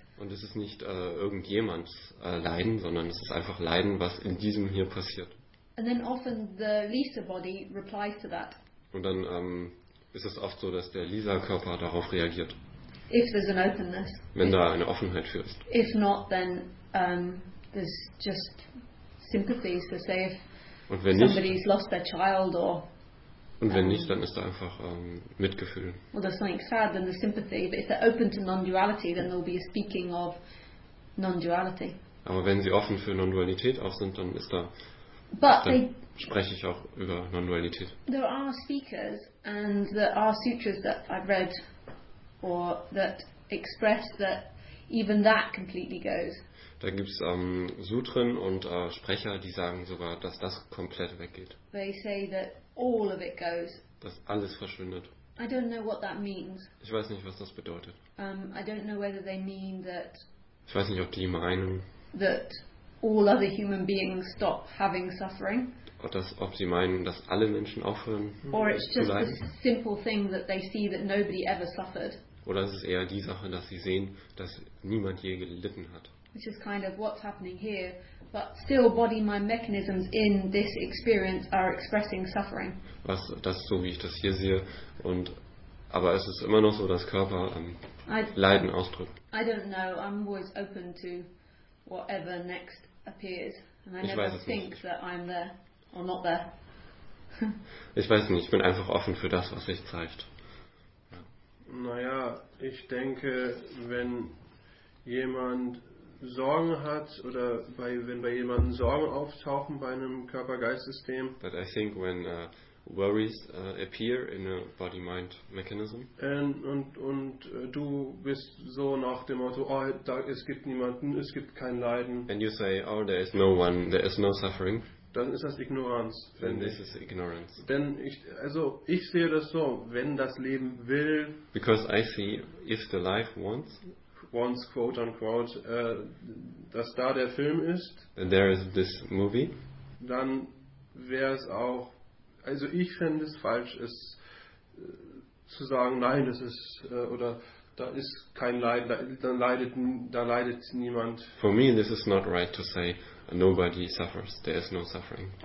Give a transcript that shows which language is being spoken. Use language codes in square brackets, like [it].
[de] Und es ist nicht irgendjemands Leiden, sondern es ist einfach Leiden, was in diesem hier passiert. [en] And then often the Lisa body replies to that. [de] Und dann ist es oft so, dass der Lisa-Körper darauf reagiert. [en] If there's an openness. [de] Wenn da eine Offenheit für ist. [en] If not, then there's just sympathy. So say if somebody's lost their child or. [de] Und wenn nicht, dann ist da einfach Mitgefühl. [en] Well, there's something sad, then there's sympathy. But if they're open to non-duality, then there'll be a speaking of non-duality. [de] Aber wenn sie offen für Non-Dualität auch sind, dann ist da. [en] But [de] dann spreche ich auch über Non-Dualität. [en] There are speakers and there are sutras that I've read or that express that even that completely goes. [de] Da gibt es Sutren und Sprecher, die sagen sogar, dass das komplett weggeht. [en] They say that all of it goes. [de] Dass alles verschwindet. [en] I don't know what that means. [de] Ich weiß nicht, was das bedeutet. [en] I don't know whether they mean that. [de] Ich weiß nicht, ob die meinen. [en] That all other human beings stop having suffering. [de] Oder ob sie meinen, dass alle Menschen aufhören. [en] Or it's just a simple thing that they see that nobody ever suffered. [de] Oder es ist eher die Sache, dass sie sehen, dass niemand je gelitten hat. [en] Which is kind of what's happening here, but still body-mind mechanisms in this experience are expressing suffering. [de] Was das ist so, wie ich das hier sehe, und aber es ist immer noch so, dass Körper Leiden ausdrückt. [en] I don't know. I'm always open to whatever next appears, and I [de] ich [en] never think [de] nicht. [en] That I'm there or not there. [de] Ich weiß nicht. Ich bin einfach offen für das, was sich zeigt. Naja, ich denke, wenn jemand Sorgen hat oder wenn bei jemandem Sorgen auftauchen bei einem Körper-Geist-System. [en] But I think when worries appear in a body-mind mechanism. [de] Und du bist so nach dem Motto, oh, da, es gibt niemanden, es gibt kein Leiden. [en] And you say, oh, there is no one, there is no suffering. [de] Dann ist das Ignoranz. [en] Then this is ignorance. [de] Denn ich sehe das so, wenn das Leben will. [en] Because I see, if the life wants. Once, quote unquote, [de] dass da der Film ist. [en] And there is this movie. [de] dann wäre es auch, also ich fände es falsch, es zu sagen, nein, das ist, oder da ist kein Leid, da leidet niemand. [en] For me, this is not right to say, nobody suffers, there is no suffering.